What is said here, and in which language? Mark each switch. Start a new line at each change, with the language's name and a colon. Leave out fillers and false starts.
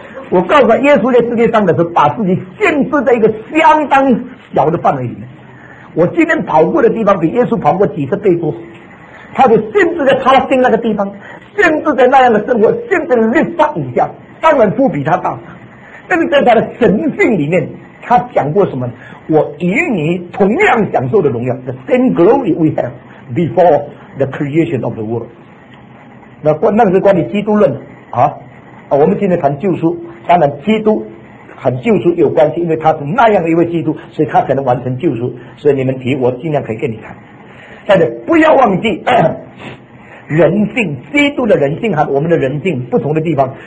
Chinese: 我告诉他，耶稣在世界上的时候把自己限制在一个相当小的范围里面。我今天跑过的地方比耶稣跑过几十倍多，他就限制在他的心那个地方，限制在那样的生活，限制在律法以下，当然不比他大。但是在他的神性里面，他讲过什么？
English: 我与你同样享受的荣耀， The same glory we have before the creation of the world。
Chinese: 那个是关于基督论啊，我们今天谈救赎，当然基督和救赎有关系，因为他是那样的一位基督，所以他才能完成救赎。所以你们提我尽量可以跟你谈，但是不要忘记人性，基督的人性和我们的人性不同的地方。